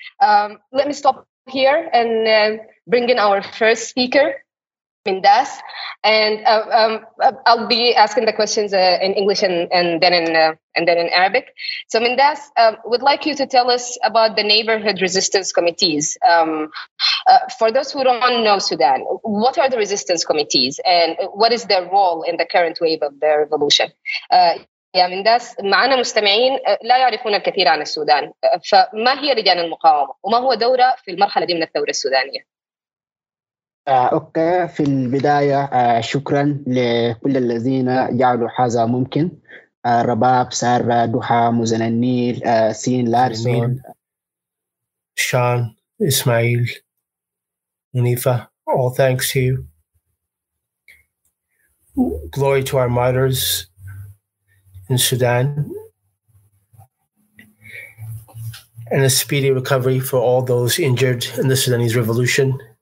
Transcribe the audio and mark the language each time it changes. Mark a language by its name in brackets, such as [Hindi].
[English] Let me stop here and bring in our first speaker, Mindas, and I'll be asking the questions in English and then in Arabic. So Mindas, would like you to tell us about the neighborhood resistance committees. For those who don't know Sudan, what are the resistance committees and what is their role in the current wave of the revolution? [Arabic] Mindas, معنا مستمعين لا يعرفون الكثير عن السودان فما هي رجال المقاومة وما هو دوره في المرحلة دي من الثورة السودانية؟ أوكي في البداية شكرا لكل الذين جعلوا هذا ممكن رباب سارة دوحة مزن النيل سين لارسون [English] شان إسماعيل منيفة all thanks to you glory to our martyrs in Sudan, and a speedy recovery for all those injured in the Sudanese revolution.